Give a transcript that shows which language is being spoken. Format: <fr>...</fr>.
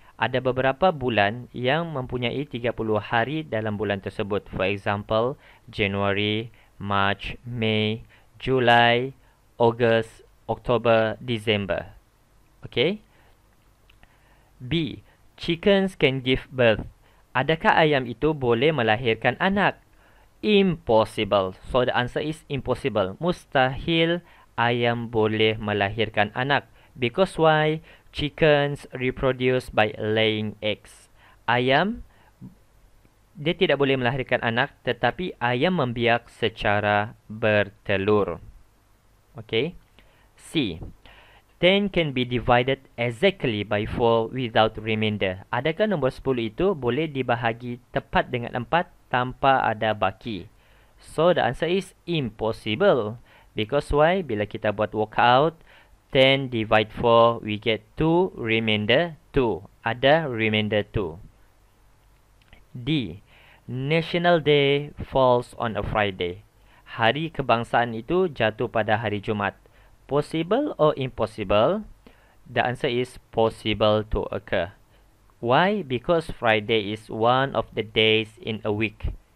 <ms>Ada beberapa bulan yang mempunyai 30 hari dalam bulan tersebut.</ms> <en>For example, January, March, May, July, August, October, December. Okay? B. Chickens can give birth.</en> <ms>Adakah ayam itu boleh melahirkan anak?</ms> <en>Impossible. So, the answer is impossible.</en> <ms>Mustahil ayam boleh melahirkan anak.</ms> <en>Because why? Chickens reproduce by laying eggs.</en> <ms>Ayam, dia tidak boleh melahirkan anak, tetapi ayam membiak secara bertelur. Okay. C.</ms> <en>10 can be divided exactly by 4 without remainder.</en> <ms>Adakah nombor 10 itu boleh dibahagi tepat dengan 4 tanpa ada baki?</ms> <en>So, the answer is impossible. Because why?</en> <ms>Bila kita buat workout,</ms> <en>10 divide 4, we get 2 remainder 2.</en> <ms>Ada remainder 2. D.</ms> <en>National Day falls on a Friday.</en> <ms>Hari kebangsaan itu jatuh pada hari Jumaat.</ms> <en>Possible or impossible? The answer is possible to occur. Why? Because Friday is one of the days in a week.</en>